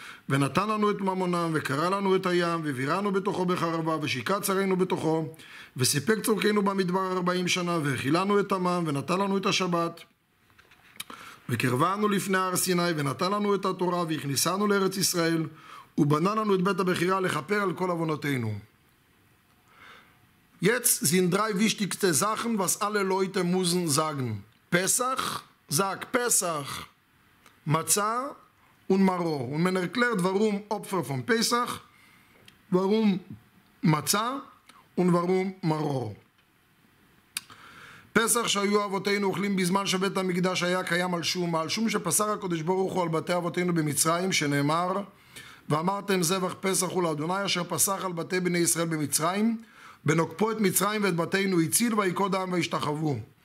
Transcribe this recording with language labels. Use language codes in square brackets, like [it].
[he] V'natan lanu et mamonam v'kara lanu et hayam v'viranu betocho becharava v'shika tzareinu betocho. V'sipek tzorkeinu b'midbar 40 shana v'echilanu et haman v'natan lanu et hashabbat. וקרבנו לפני הר סיני ונתן לנו את התורה והכניסנו לארץ ישראל ובנה לנו את בית הבחירה לכפר על כל עוונותינו. [de] Jetzt sind drei wichtigste Sachen, was alle Leute müssen sagen. Pesach, sag Pesach, Matzah und Maror. Und man erklärt, warum Opfer von Pesach, warum Matzah und warum Maror. [he] פסח שהיו אבותינו אוכלים בזמן שבית המקדש היה קיים על שום, על שום שפסח הקודש ברוך הוא על בתי אבותינו במצרים שנאמר, ואמרתם זבח פסח הוא לאדוני אשר פסח על בתי בני ישראל במצרים, בנוקפו את מצרים ואת בתינו הציל ויקוד העם והשתחוו.